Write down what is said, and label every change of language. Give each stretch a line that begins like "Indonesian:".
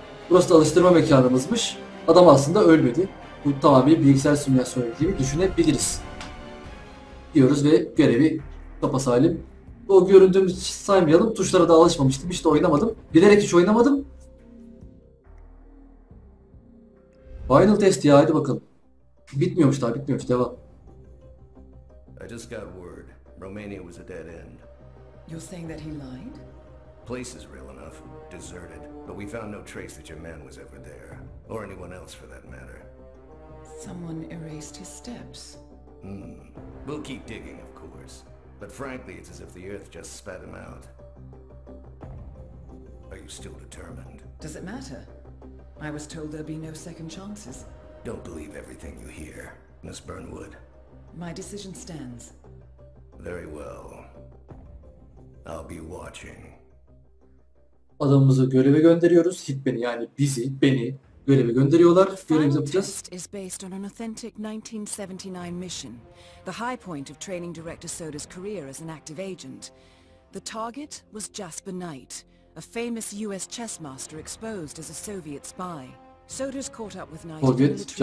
Turkish: Burası da alıştırma mekanımızmış. Adam aslında ölmedi. Bu tamamen bilgisayar simülasyonu gibi düşünebiliriz. Diyoruz ve görevi kapasalim O göründüğümü hiç saymayalım. Tuşlara da alışmamıştım. Hiç de oynamadım. Bilerek hiç oynamadım. Final test ya, hadi bakalım. Bitmiyormuş daha, bitmiyormuş. Devam.
English: I just got word. Romania was a dead end. You're saying that he lied? Place is real enough, deserted. But we found no trace that your man was ever there. Or anyone else for that matter. Someone erased his steps. We'll keep digging, of course. But frankly, it's as if the earth just spat him out. Are you still determined? Does it matter? I was told there'd be no second chances. Don't believe everything you hear, Miss Burnwood. My decision stands. Very well. I'll be watching.
Turkish: Adamımızı göreve gönderiyoruz. Hitman'ı yani bizi, beni göreve gönderiyorlar. Görev yapacağız.
English: The is based on an authentic 1979 mission. The high point of training Director Soda's career as an active agent. The target was Jasper Knight, a famous US chess master exposed as a Soviet spy. Soda's caught up with Knight in the